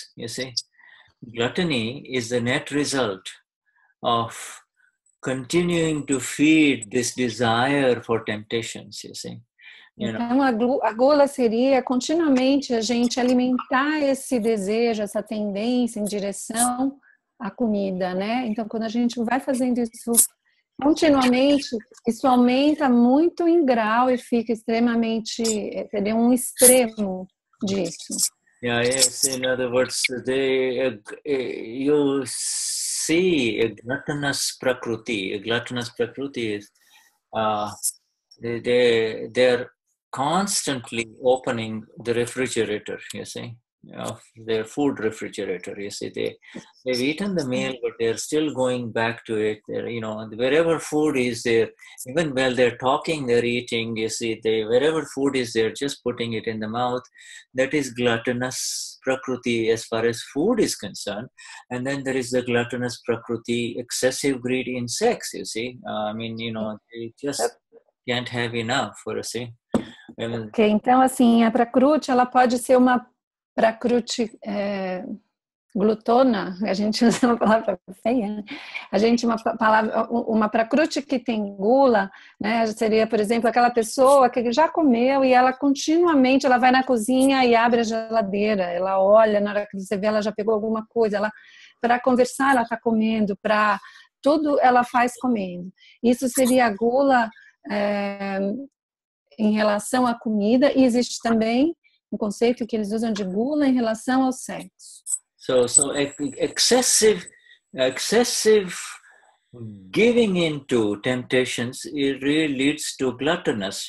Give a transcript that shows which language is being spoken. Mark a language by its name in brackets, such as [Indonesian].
[English] You see, gluttony is the net result of continuing to feed this desire for temptations. You see. [Portuguese] Então, a gula seria continuamente a gente alimentar esse desejo, essa tendência em direção à comida, né? Então, quando a gente vai fazendo isso continuamente, isso aumenta muito em grau e fica extremamente, entendeu? Um extremo disso. [English] Yes, in other words, you see a gluttonous prakruti. A gluttonous prakruti is they're constantly opening the refrigerator, you see, of their food refrigerator. You see, they've eaten the meal, but they're still going back to it. They're, you know, wherever food is there, even while they're talking, they're eating, you see, wherever food is there, just putting it in the mouth. That is gluttonous prakruti as far as food is concerned. And then there is the gluttonous prakruti, excessive greed in sex, you see. I mean, you know, they just can't have enough, for a see. [Portuguese] Ok, então assim, a prakruti, ela pode ser uma prakruti glutona, a gente usa uma palavra feia, né? A gente, uma prakruti que tem gula, né? Seria, por exemplo, aquela pessoa que já comeu e ela continuamente, ela vai na cozinha e abre a geladeira, ela olha, na hora que você vê, ela já pegou alguma coisa, ela, para conversar, ela está comendo, para tudo ela faz comendo. Isso seria a gula em relação à comida, e existe também um conceito que eles usam de gula em relação ao sexo. [English] So excessive giving into temptations, it really leads to gluttonous.